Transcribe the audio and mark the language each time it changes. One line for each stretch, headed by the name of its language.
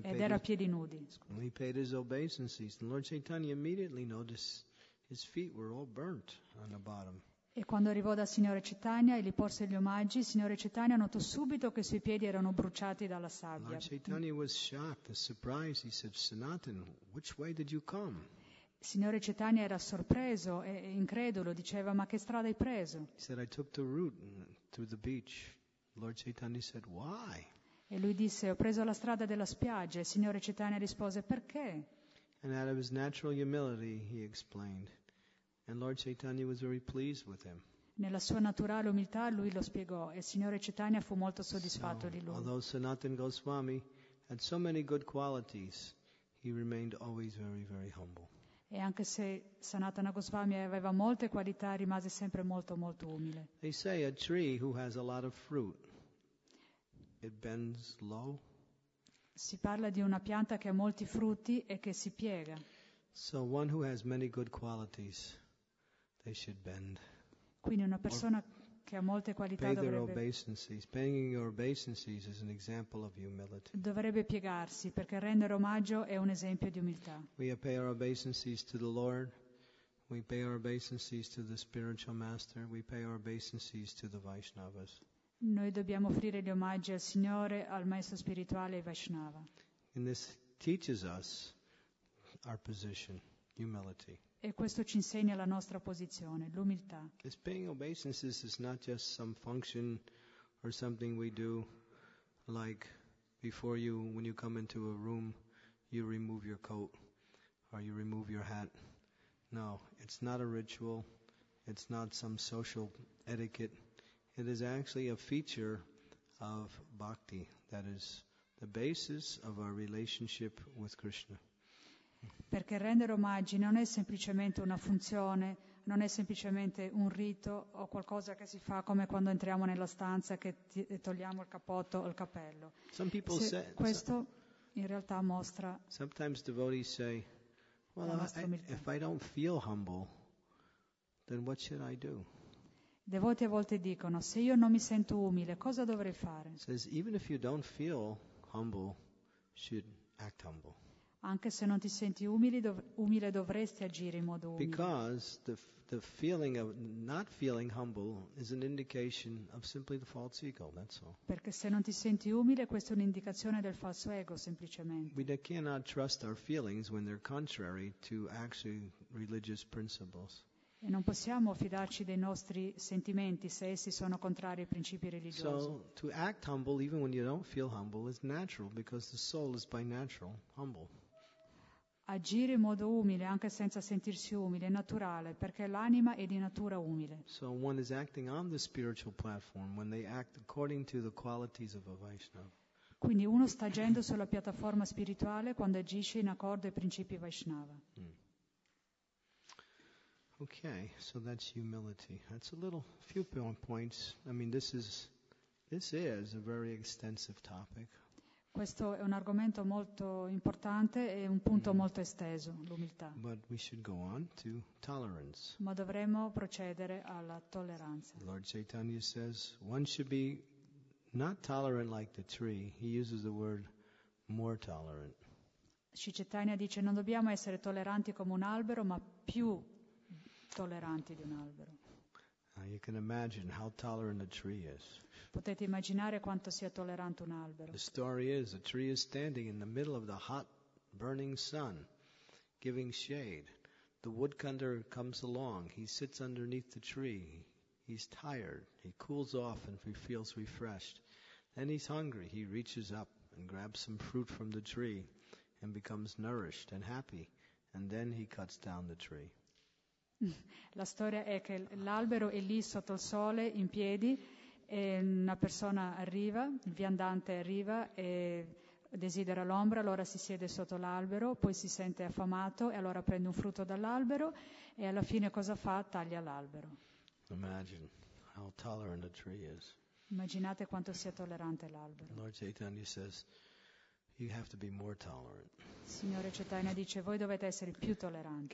Italian: Ed era a piedi nudi.
English: He paid his obeisances. Lord Chaitanya immediately noticed his feet were all burnt on the bottom.
Italian: E quando arrivò dal signore Chaitanya e gli porse gli omaggi, il signore Chaitanya notò subito che i suoi piedi erano bruciati dalla sabbia.
English: Lord Chaitanya was shocked and surprised. He said, "Sanatan, which way did you come?"
Italian: Il signore Chaitanya era sorpreso e incredulo, diceva: "Ma che strada hai preso?"
English: He said, "I took the route through the beach." Lord Chaitanya said, "Why?"
Italian: E lui disse: "Ho preso la strada della spiaggia." Il signore Chaitanya rispose: "Perché?"
English: And out of his natural humility, he explained. And Lord Chaitanya was very pleased with him.
Italian: Nella sua naturale umiltà, lui lo spiegò. E il signore Chaitanya fu molto soddisfatto di lui.
English: Although Sanatana Goswami had so many good qualities, he remained always very, very humble.
Italian: E anche se Sanatana Goswami aveva molte qualità, rimase sempre molto, molto umile.
English: They say a tree who has a lot of fruit, it bends low.
Italian: Si parla di una pianta che ha molti frutti e che si piega.
English: So one who has many good qualities, they should bend.
Italian: Quindi una persona che ha molte qualità dovrebbe piegarsi, perché rendere omaggio è un esempio di umiltà.
English: We pay our obeisances to the Lord, we pay our obeisances to the spiritual master, we pay our obeisances to the Vaishnavas.
Italian: Noi dobbiamo offrire gli omaggi al Signore, al Maestro spirituale e Vaishnava.
English: And this teaches us our position, humility.
Italian: E questo ci insegna la nostra posizione, l'umiltà.
English: This paying obeisances is not just some function or something we do, like before you, when you come into a room, you remove your coat or you remove your hat. No, it's not a ritual, it's not some social etiquette. It is actually a feature of bhakti, that is the basis of our relationship with Krishna.
Italian: Perché rendere omaggi non è semplicemente una funzione, non è semplicemente un rito o qualcosa che si fa come quando entriamo nella stanza che togliamo il cappotto o il cappello.
English: Some people say,
Italian: questo in realtà mostra.
English: Sometimes devotees say, "Well, if I don't feel humble, then what should I do?"
Italian: Devoti a volte dicono: "Se io non mi sento umile, cosa dovrei fare?"
English: Says, even if you don't feel humble, should act humble.
Italian: Anche se non ti senti umile, umile dovresti agire in modo umile.
English: Because the feeling of not feeling humble is an indication of simply the false ego, that's all.
Italian: Perché se non ti senti umile, questa è un'indicazione del falso ego, semplicemente.
English: We cannot trust our feelings when they're contrary to actually religious principles.
Italian: E non possiamo fidarci dei nostri sentimenti se essi sono contrari ai principi religiosi.
English: So to act humble even when you don't feel humble is natural because the soul is by natural humble.
Italian: Agire in modo umile anche senza sentirsi umile è naturale perché l'anima è di natura umile.
English: So one is acting on the spiritual platform when they act according to the qualities of a Vaishnava.
Italian: Quindi uno sta agendo sulla piattaforma spirituale quando agisce in accordo ai principi Vaishnava.
English: Okay, so that's humility. That's a little few points. I mean, this is a very extensive topic.
Italian: Questo è un argomento molto importante e un punto molto esteso, l'umiltà.
English: But we should go on to tolerance.
Italian: Ma dovremmo procedere alla tolleranza.
English: Lord Chaitanya says one should be not tolerant like the tree. He uses the word more tolerant.
Italian: Chaitanya dice non dobbiamo essere tolleranti come un albero, ma più tolleranti di un albero.
English: You can imagine how tolerant a tree is.
Italian: Potete immaginare quanto sia tollerante un albero.
English: The story is, a tree is standing in the middle of the hot, burning sun, giving shade. The woodcutter comes along. He sits underneath the tree. He's tired. He cools off and he feels refreshed. Then he's hungry. He reaches up and grabs some fruit from the tree and becomes nourished and happy. And then he cuts down the tree.
Italian: La storia è che l'albero è lì sotto il sole, in piedi, e una persona arriva, il viandante arriva e desidera l'ombra, allora si siede sotto l'albero, poi si sente affamato e allora prende un frutto dall'albero e alla fine cosa fa? Taglia l'albero.
English: Imagine how tolerant a tree is.
Italian: Immaginate quanto sia tollerante l'albero.
English: Lord Chaitanya says, you have to be more tolerant.
Italian: Signore Chaitanya dice, voi dovete essere più tolleranti.